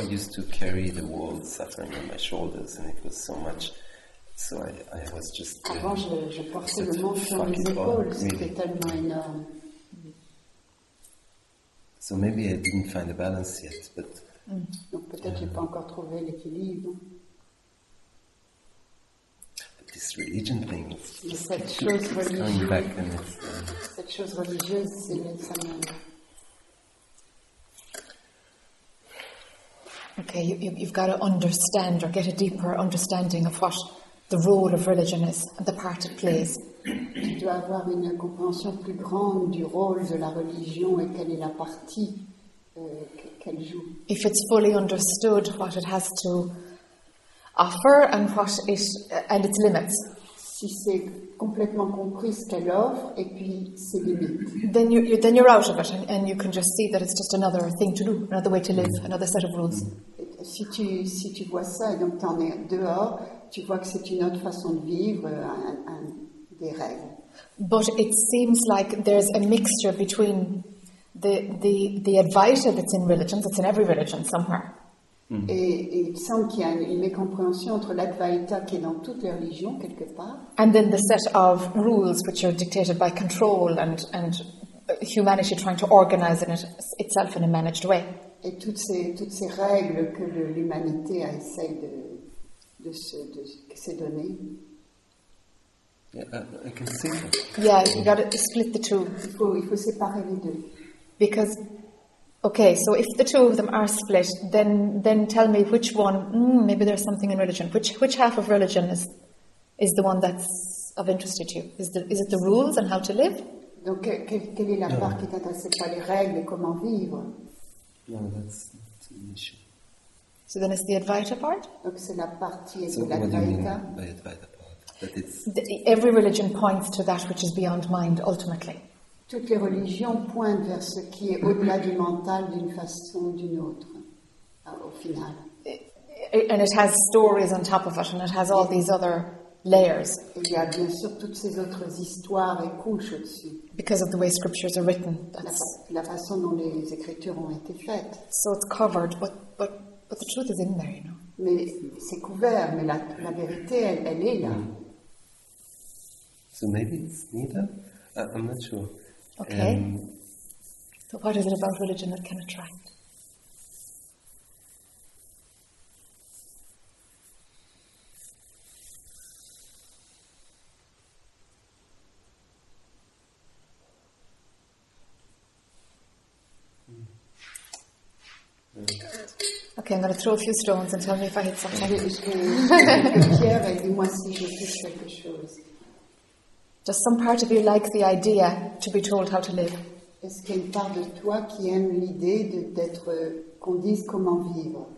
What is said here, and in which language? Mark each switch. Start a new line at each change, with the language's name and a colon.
English: I used to carry the world's suffering on my shoulders, and it was so much. So I was just.
French: Avant, je portais le monde sur mes épaules,
English: really.
French: C'était tellement énorme.
English: So maybe I didn't find a balance yet, but.
French: Donc peut-être j'ai pas encore trouvé l'équilibre.
English: But this religion thing.
French: Cette chose religieuse, c'est même ça.
English: Ok. okay, you've got to understand or get a deeper understanding of what the role of religion is and the part it plays.
French: Tu dois avoir une compréhension plus grande du rôle de la religion et quelle est la partie qu'elle joue.
English: If it's fully understood what it has to offer and what it and its limits.
French: Si c'est complètement compris ce qu'elle offre et puis ses limites.
English: Then you're out of it and you can just see that it's just another thing to do, another way to live, another set of rules.
French: Si tu vois ça et donc t'en es dehors, tu vois que c'est une autre façon de vivre, un des règles.
English: But it seems like there's a mixture between the Advaita that's in religions, that's in every religion somewhere.
French: Et il semble qu'il y a une mécompréhension entre l'Advaita qui est dans toutes les religions quelque part.
English: And then the set of rules which are dictated by control and humanity trying to organize itself in a managed way.
French: Et toutes ces règles que l'humanité essaie de se donner.
English: Yeah, I can see that. Yeah, you got to split the two.
French: Il faut séparer les deux.
English: Because. Okay, so if the two of them are split, then tell me which one. Maybe there's something in religion. Which half of religion is the one that's of interest to you? Is it the rules and how to live?
French: Donc, quelle est la part qui t'intéresse? C'est pas les règles et comment vivre.
English: No, that's an issue. So then, it's the Advaita part.
French: Donc, c'est la partie de l'Advaita.
English: By Advaita part, that it's every religion points to that which is beyond mind, ultimately.
French: Toutes les religions pointent vers ce qui est au-delà du mental d'une façon ou d'une autre, au final.
English: And it has stories on top of it, and it has all these other layers.
French: Il y a bien sûr toutes ces autres histoires et couches au-dessus.
English: Because of the way scriptures are written.
French: La façon dont les écritures ont été faites.
English: So it's covered, but the truth is in there, you know.
French: Mais c'est couvert, mais la vérité, elle est là.
English: So maybe it's neither? I'm not sure. Okay, so what is it about religion that can attract? Okay, I'm going to throw a few stones and tell me if I hit something. Does some part of you like the idea to be told how to live?
French: Est-ce qu'il y a une part de toi qui aime l'idée d'être qu'on dise comment vivre?